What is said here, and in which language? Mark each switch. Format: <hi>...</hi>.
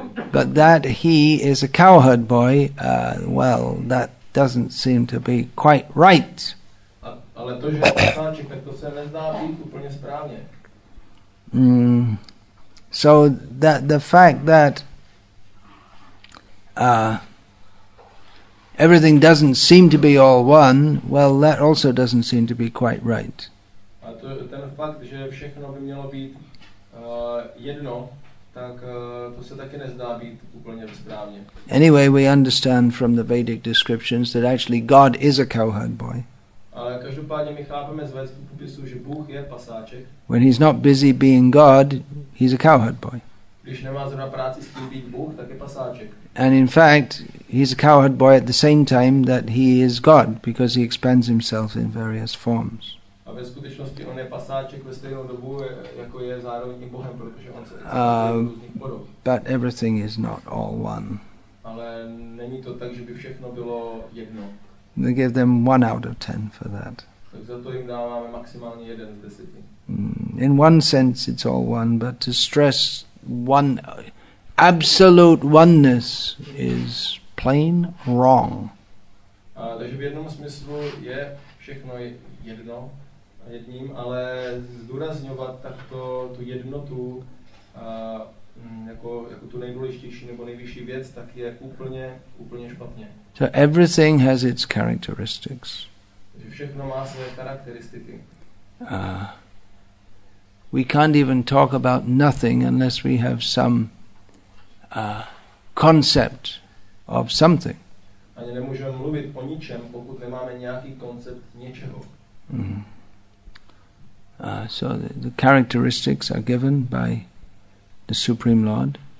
<en>But that he is a cowherd boy, well, that doesn't seem to be quite right.</en> <cs>Ale to, že pasáček, tak to se nezdá být úplně správně.</cs> <en>So that the fact that everything doesn't seem to be all one, well, that also doesn't seem to be quite right.</en> <cs>A to, ten fakt, že všechno by mělo být jedno, tak to se taky nezdá být úplně správně.</cs> <en>Anyway, we understand from the Vedic descriptions that actually God is a cowherd boy.</en> <cs>Ale každopádně my chápeme z vedských popisů, že Bůh je pasáček.</cs> <en>When he's not busy being God, he's a cowherd boy.</en> <cs>Když nemá zrovna práci s tím být Bůh, tak je pasáček.</cs> <en>And in fact, he's a cowherd boy at the same time that he is God, because he expands himself in various forms.</en> <cs>A ve skutečnosti on je pasáček ve stejnou dobu, jako je zároveň Bohem, protože on se v různých podob.</cs> <en>But everything is not all one.</en> <cs>Ale není to tak, že by všechno bylo jedno.</cs> <en>We give them 1 out of 10 for that.</en> <cs>Tak za to jim dáváme maximálně 1 z 10.</cs> <en>In one sense it's all one, but to stress one absolute oneness is plain wrong.</en> <cs>Takže v jednom smyslu je všechno jedno. Jedním, ale zdůrazňovat takto tu jednotu jako tu nejdůležitější nebo nejvyšší věc, tak je úplně špatně.</cs> <en>So everything has its characteristics.</en> <cs>Všechno má své charakteristiky.</cs> <en>We can't even talk about nothing unless we have some concept of something.</en> <cs>Ani nemůžeme mluvit o ničem, pokud nemáme nějaký koncept něčeho.</cs> <en>So the characteristics are given by the Supreme Lord.</en>